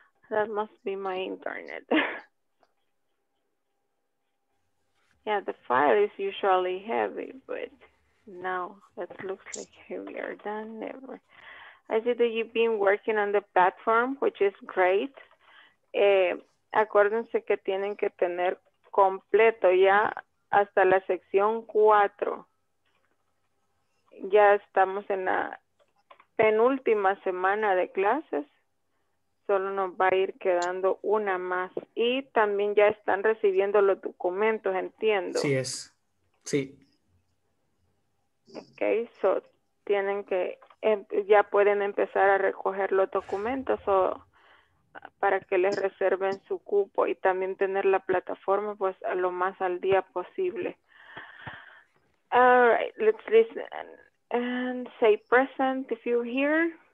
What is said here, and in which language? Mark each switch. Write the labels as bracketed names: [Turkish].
[English] That must be my internet. Yeah, the file is usually heavy, but now it looks like heavier than ever. I see that you've been working on the platform, which is great. [Spanish] Acuérdense que tienen que tener completo ya hasta la sección 4. Ya estamos en la penúltima semana de clases. Solo nos va a ir quedando una más. Y también ya están recibiendo los documentos, entiendo. Sí, es. Sí. Ok, so tienen que, ya pueden empezar a recoger los documentos o para que les reserven su cupo y también tener la plataforma pues a lo más al día posible. [English] All right, let's listen and say present if you're here.